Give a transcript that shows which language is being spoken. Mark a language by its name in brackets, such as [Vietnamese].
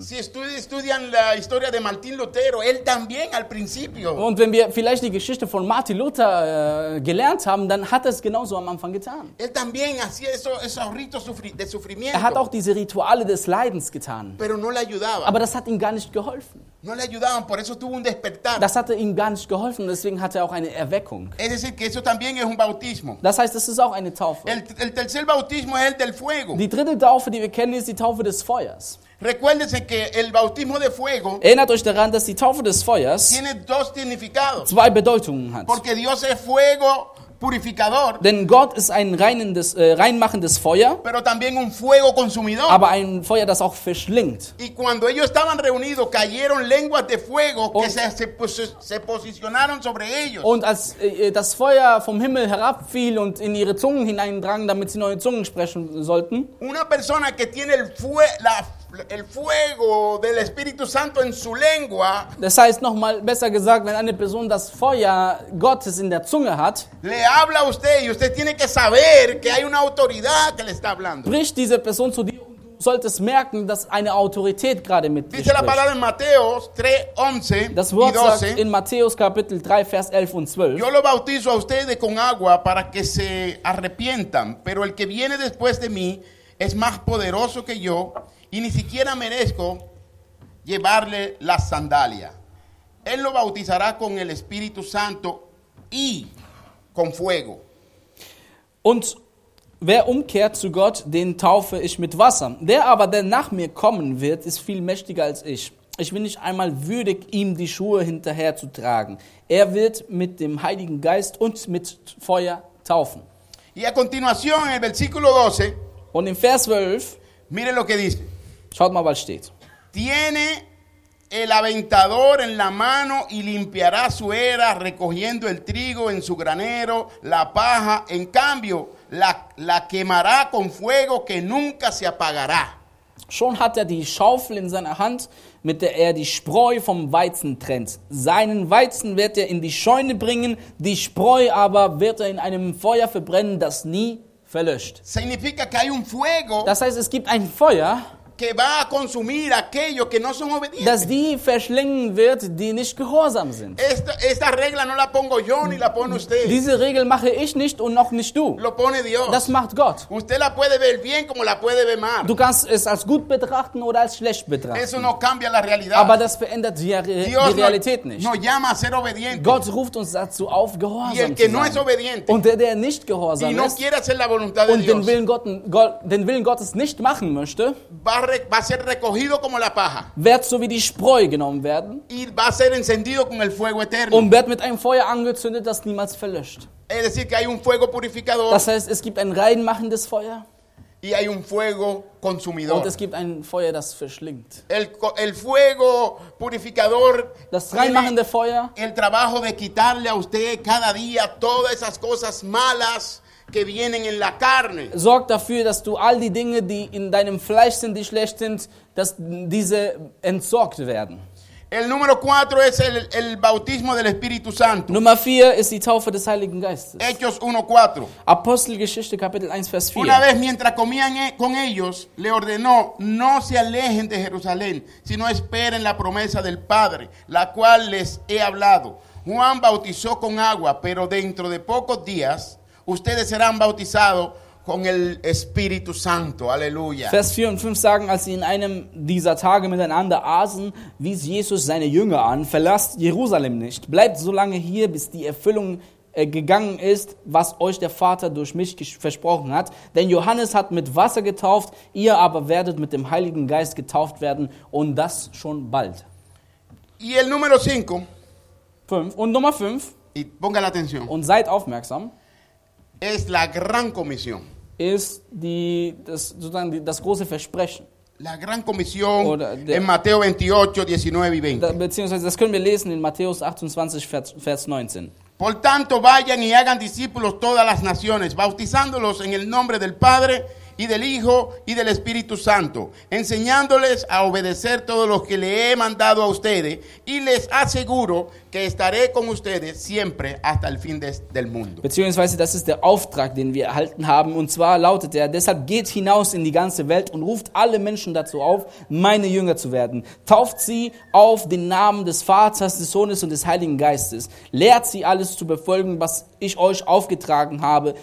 [Spanish] Si estudian la historia de Martín Lutero, él también al principio. [German] Und wenn wir vielleicht die Geschichte von Martin Luther gelernt haben, dann hat er es genauso am Anfang getan. [Spanish] Él también hacía esos ritos de sufrimiento. [German] Er hat auch diese Rituale des Leidens getan. [Spanish] Pero no le ayudaba. [German] Aber das hat ihm gar nicht geholfen. [Spanish] No le ayudaban, por eso tuvo un despertar. [German] Das hatte ihm gar nicht geholfen, deswegen hatte er auch eine Erweckung. [Spanish] Es decir, que eso también es un bautismo. [German] Das heißt, es ist auch eine Taufe. [Spanish] El tercer bautismo es el del fuego. [German] Die dritte Taufe, die wir kennen, ist die Taufe des Feuers. [Spanish] Recuérdense que el bautismo de fuego, [German] erinnert euch daran, dass die Taufe des Feuers [Spanish] tiene dos significados. [German] Zwei Bedeutungen hat. [Spanish] Porque Dios es fuego purificador. [German] Denn Gott ist ein reinmachendes Feuer, [Spanish] pero también un fuego consumidor. [German] Aber ein Feuer, das auch verschlingt. [Spanish] Y cuando ellos estaban reunidos, cayeron lenguas de fuego que se posicionaron sobre ellos. [German] Und als das Feuer vom Himmel herabfiel und in ihre Zungen hineindrang, damit sie neue Zungen sprechen sollten. [Spanish] Una persona que tiene el fuego del Espíritu Santo en su lengua. [German] Das heißt, noch mal besser gesagt, wenn eine Person das Feuer Gottes in der Zunge hat, [Spanish] le habla a usted y usted tiene que saber que hay una autoridad que le está hablando. [German] Spricht diese Person zu dir und du solltest merken, dass eine Autorität gerade mit dir spricht. [Spanish] Dice la palabra en Mateos 3:11 y 12. [German] Das Wort sagt in Matthäus Kapitel 3 Vers 11 und 12. [Spanish] Yo lo bautizo a ustedes con agua para que se arrepientan, pero el que viene después de mí es más poderoso que yo. Y ni siquiera merezco llevarle la sandalia. Él lo bautizará con el Espíritu Santo y con fuego. [German] Und wer umkehrt zu Gott, den taufe ich mit Wasser. Der aber, der nach mir kommen wird, ist viel mächtiger als ich. Ich bin nicht einmal würdig, ihm die Schuhe hinterher zu tragen. Er wird mit dem Heiligen Geist und mit Feuer taufen. [Spanish] Y a continuación, en el versículo 12, [German] und im Vers 12, [Spanish] mire lo que dice. [German] Schaut mal, was steht. [Spanish] Tiene el aventador en la mano y limpiará su era recogiendo el trigo en su granero, la paja, en cambio, la quemará con fuego que nunca se apagará. [German] Schon hat er die Schaufel in seiner Hand, mit der er die Spreu vom Weizen trennt. Seinen Weizen wird er in die Scheune bringen, die Spreu aber wird er in einem Feuer verbrennen, das nie verlöscht. [Spanish] Significa que hay un fuego, [German] das heißt, es gibt ein Feuer, [Spanish] que va a consumir aquello que no son obedientes. [German] Das die verschlingen wird, die nicht gehorsam sind. [Spanish] Esta regla no la pongo yo, ni la pone usted. [German] Diese Regel mache ich nicht und noch nicht du. [Spanish] Lo pone Dios. [German] Das macht Gott. [Spanish] Usted la puede ver bien como la puede ver mal. [German] Du kannst es als gut betrachten oder als schlecht betrachten. [Spanish] Eso no cambia la realidad. [German] Aber das verändert die Realität nicht. [Spanish] No llama a ser obediente. [German] Gott ruft uns dazu auf, gehorsam [Spanish] y el que [German] zu sein. [Spanish] No es obediente. [German] Und der nicht gehorsam [Spanish] y no [German] ist [Spanish] quiere hacer la voluntad de [German] und [Spanish] Dios. [German] Den Willen Gottes nicht machen möchte, [Spanish] va a ser recogido como la paja. [German] Wird so wie die Spreu genommen werden. [Spanish] Y va a ser encendido con el fuego eterno. [German] Und wird mit einem Feuer angezündet, das niemals verlöscht. [Spanish] Es decir, que hay un fuego purificador. [German] Das heißt, es gibt ein reinmachendes Feuer. [Spanish] Y hay un fuego consumidor. [German] Und es gibt ein Feuer, das verschlingt. [Spanish] El fuego purificador. [German] Das reinmachende Feuer. [Spanish] El trabajo de quitarle a usted cada día todas esas cosas malas. Que vienen en la carne. [German] Sorg dafür, dass du all die Dinge, die in deinem Fleisch sind, die schlecht sind, dass diese entsorgt werden. [Spanish] El número 4 es el bautismo del Espíritu Santo. [German] Nummer 4 ist die Taufe des Heiligen Geistes. [Spanish] Hechos 1:4. [German] Apostelgeschichte Kapitel 1 Vers 4. [Spanish] Una vez mientras comían con ellos, le ordenó: "No se alejen de Jerusalén, sino esperen la promesa del Padre, la cual les he hablado. Juan bautizó con agua, pero dentro de pocos días ustedes serán bautizados con el Espíritu Santo." Aleluya. [German] Vers 4 und 5 sagen, als sie in einem dieser Tage miteinander aßen, wies Jesus seine Jünger an: "Verlasst Jerusalem nicht. Bleibt so lange hier, bis die Erfüllung gegangen ist, was euch der Vater durch mich versprochen hat. Denn Johannes hat mit Wasser getauft, ihr aber werdet mit dem Heiligen Geist getauft werden und das schon bald." [Spanish] Y el número 5. [German] Und Nummer 5. [Spanish] Y ponga la atención. [German] Und seid aufmerksam. [Spanish] Es la gran comisión. [German] Ist das große Versprechen. [Spanish] La gran comisión en Mateo 28, 19 y 20. [German] Beziehungsweise, das können wir lesen in Matthäus 28, Vers 19. [Spanish] Por tanto, vayan y hagan discípulos todas las naciones, bautizándolos en el nombre del Padre y del Hijo y del Espíritu Santo, enseñándoles a obedecer todo lo que le he mandado a ustedes, y les aseguro que estaré con ustedes siempre hasta el fin del mundo. [German] Beziehungsweise, das ist der Auftrag, den wir erhalten haben, und zwar lautet er: "Deshalb geht hinaus in die ganze Welt und ruft alle Menschen dazu auf, meine Jünger zu werden. Tauft sie auf den Namen des Vaters, des Sohnes und des Heiligen Geistes. Lehrt sie alles zu befolgen, was ich euch aufgetragen habe.